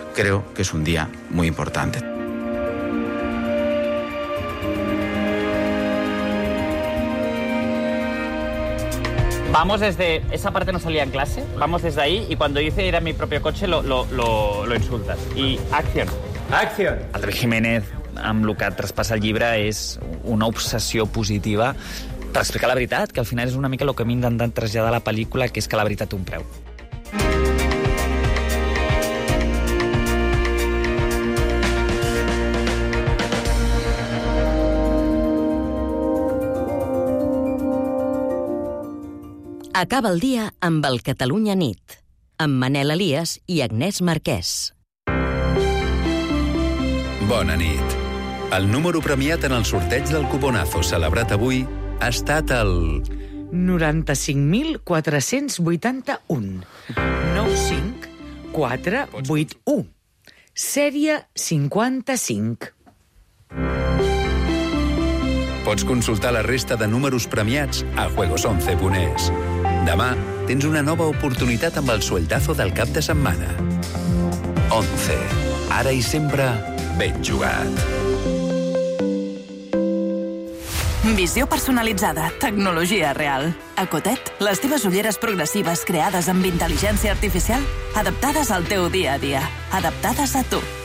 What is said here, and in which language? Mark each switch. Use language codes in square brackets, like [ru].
[es] Creo que es un día muy importante. Vamos desde... Esa parte no salía en clase. Vamos desde ahí y cuando dice ir a mi propio coche lo insultas. Y acción. ¡Acción! [ca] André Jiménez, amb lo que traspassa el llibre, és una obsessió positiva... Per explicar la veritat, que al final és una mica el que hem intentat traslladar a la pel·lícula, que és que la veritat té un preu. Acaba el dia amb el Catalunya Nit, amb Manel Elias i Agnès Marquès. Bona nit. El número premiat en el sorteig del cuponazo celebrat avui... ha estat el... 95.481. 95481. Sèrie 55. Pots consultar la resta de números premiats a juegos11.es. Demà tens una nova oportunitat amb el sueldazo del cap de setmana. 11. Ara i sempre, ben jugat. Visió personalitzada, tecnologia real. A Cotet, les teves ulleres progressives creades amb intel·ligència artificial, adaptades al teu dia a dia, adaptades a tu.